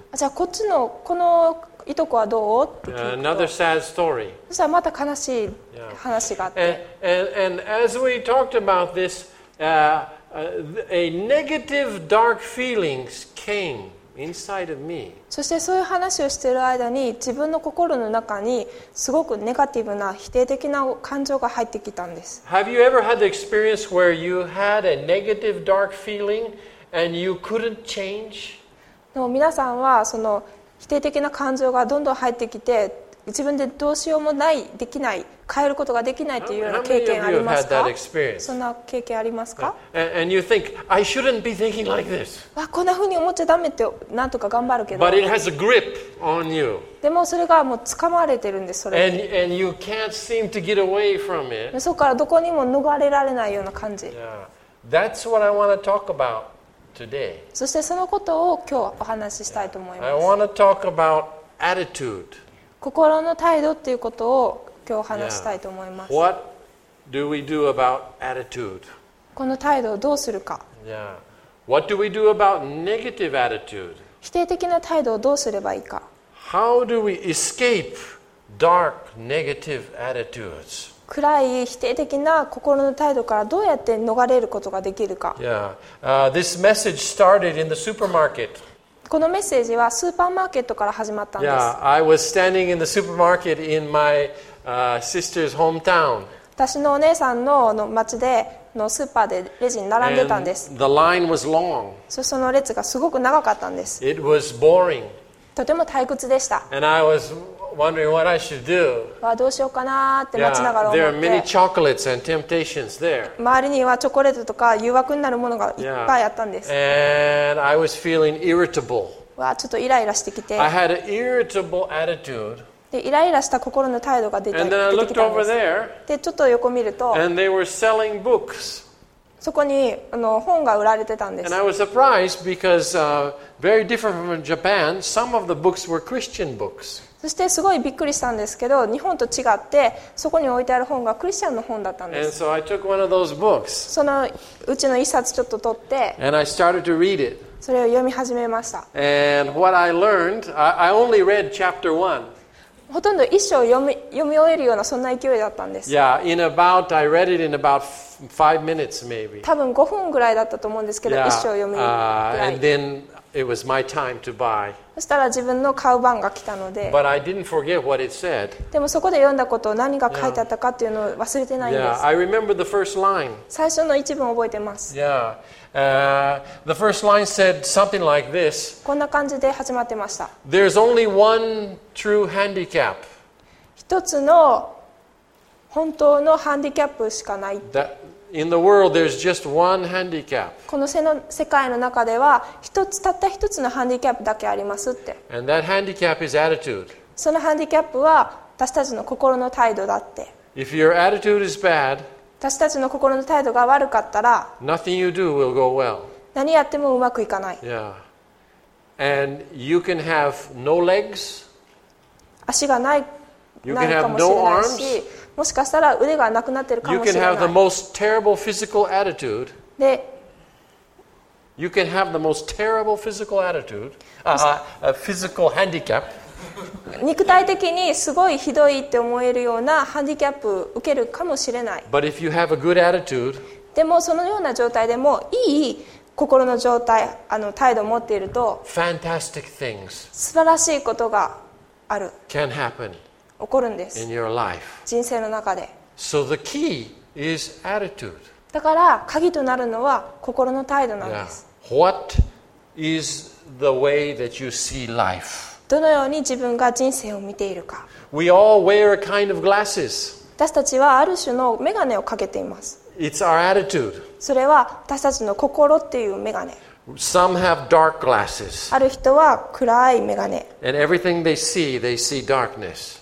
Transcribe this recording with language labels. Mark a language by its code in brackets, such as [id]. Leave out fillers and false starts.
[ja] じゃあこっちのこのいとこはどうって聞いて、 [en] Another sad story. [ja] そしたらまた悲しい話があって、 [en] yeah. and as we talked about this, a negative dark feelings came. Inside of me. [ja] そしてそういう話をしている間に自分の心の中にすごくネガティブな否定的な感情が入ってきたんです。 [en] Have you ever had the experience where you had a negative dark feeling and you couldn't change? [ja] の皆さんはその否定的な感情がどんどん入ってきて自分でどうしようもないできない変えることができないというような経験ありますか？そんな経験ありますか？ [en] And you think I shouldn't be thinking like this. [ja] わこんな風に思っちゃダメってなんとか頑張るけど。 [en] But it has a grip on you. [ja] でもそれがもう掴まれてるんですそれ。 [en] And you can't seem to get away from it. [ja] そこからどこにも逃れられないような感じ。 [en] That's what I want to talk about today. [ja] そしてそのことを今日お話ししたいと思います。 [en] I want to talk about attitude. [ja] 心の態度っていうことを今日話したいと思います。 [en] Yeah. What do we do about attitude? [ja] この態度をどうするか。 [en] Yeah. What do we do about negative attitude? [ja] 否定的な態度をどうすればいいか。 [en] How do we escape dark negative attitudes? [ja] 暗い否定的な心の態度からどうやって逃れることができるか。 [en] Yeah. This message started in the supermarket. [ja] このメッセージはスーパーマーケットから始まったんです。 [en] Yeah, I was standing in the supermarket in my sister's hometown. [ja] 私のお姉さんの町でのスーパーでレジに並んでたんです。 [en] And the line was long. [ja] その列がすごく長かったんです。 [en] It was boring. [ja] とても退屈でした。 [en] And I was wondering what I should do. [ja] どうしようかなって待ちながら思って。 [en] There are many chocolates and temptations there. [ja] 周りにはチョコレートとか誘惑になるものがいっぱいあったんです。 [en] And I was feeling irritable. [ja] ちょっとイライラしてきて。 [en] I had an irritable attitude. [ja] でイライラした心の態度が出てきたんです。 [en] And then I looked over there. [ja] でちょっと横見ると。 [en] And they were selling books. [ja] そこに本が売られてたんです。 [en] And I was surprised because, very different from Japan, some of the books were Christian books. [ja] そしてすごいびっくりしたんですけど、日本と違って、そこに置いてある本がクリスチャンの本だったんです。 [en] And so I took one of those books. [ja] そのうちの一冊ちょっと取って、 [en] And I started to read it. [ja] それを読み始めました。 [en] And what I learned, I only read chapter one. [ja] ほとんど一章読み終えるようなそんな勢いだったんです。 [en] Yeah, in about, I read it in about five minutes maybe. [ja] 多分5分ぐらいだったと思うんですけど、 [en] yeah. [ja] 一章読むぐらい。 [en] And then it was my time to buy. [ja] そしたら自分の買う番が来たので。 [en] But I didn't forget what it said. [ja] でもそこで読んだことを何が書いてあったかっていうのを忘れてないんです。 [en] Yeah, I remember the first line. [ja] 最初の一文覚えてます。 [en] Yeah. The first line said something like this. [ja] こんな感じで始まってました。 [en] There's only one true handicap. [ja] 一つの本当のハンディキャップしかない。 [en] In the world, there's just one handicap. [ja] この世界の中では一つたった一つのハンディキャップだけありますって。 [en] And that handicap is attitude. [ja] そのハンディキャップは私たちの心の態度だって。 [en] If your attitude is bad. [ja] 私たちの心の態度が悪かったら、 [en] Nothing you do will go well. [ja] 何やってもうまくいかない。 [en] Yeah. And you can have no legs. [ja] 足がない [en] You can have no arms. [ja] もしかしたら腕がなくなってるかもしれない。 [en] You can have the most で、 You can have the most terrible physical attitude. Physical handicap. [ja] 肉体的にすごいひどいって思えるようなハンディキャップ受けるかもしれない。 [en] But if you have a good attitude, [ja] でもそのような状態でもいい心の状態、態度を持っていると、 [en] Fantastic things [ja] 素晴らしいことがある。 [en] Can happen. [ja] 起こるんです。 [en] In your life. [ja] 人生の中で。 [en] So the key is attitude. [ja] だから鍵となるのは心の態度なんです。 [en] Yeah. What is the way that you see life? [ja] どのように自分が人生を見ているか。 [en] We all wear a kind of glasses. [ja] 私たちはある種の眼鏡をかけています。 [en] It's our attitude. [ja] それは私たちの心っていう眼鏡。 [en] Some have dark glasses. [ja] ある人は暗い眼鏡。 [en] And everything they see darkness.